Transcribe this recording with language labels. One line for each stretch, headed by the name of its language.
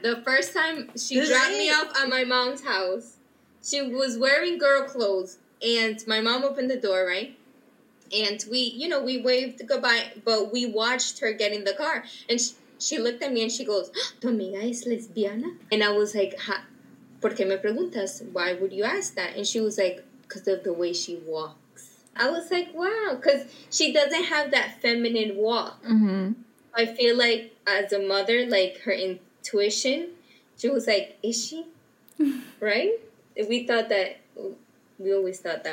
English: The first time she dropped me off at my mom's house, she was wearing girl clothes. And my mom opened the door, right? And we, you know, we waved goodbye, but we watched her get in the car. And she looked at me and she goes,
Spanish: Dominga es lesbiana?
English: And I was like,
Spanish: ¿Por qué me preguntas?
English: Why would you ask that? And she was like, because of the way she walks. I was like, wow, because she doesn't have that feminine walk. Mm-hmm. I feel like as a mother, like her intuition, she was like, is she? Right? And we thought that, we always thought that